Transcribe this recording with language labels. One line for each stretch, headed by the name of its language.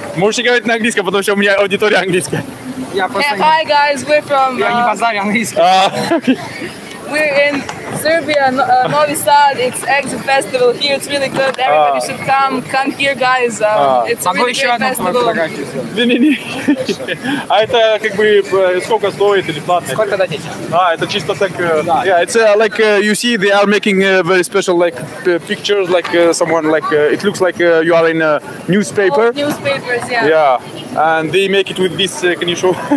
Russian: Можете говорить на английском, потому что у меня аудитория английская. Я просто...
English: Hi, guys, we're from...
Russian: Я не базарю английский.
English: We're in Serbia, Novi Sad, it's Exo Festival here, it's really good, everybody should come here, guys, it's a really great festival.
Russian: Не-не-не, а это как бы сколько стоит или платно? Сколько дадите? Это чисто так,
English: it's like you see they are making very special like pictures, like someone like, it looks like you are in a newspaper. Old newspapers, yeah. Yeah. And they make it with this, can you show?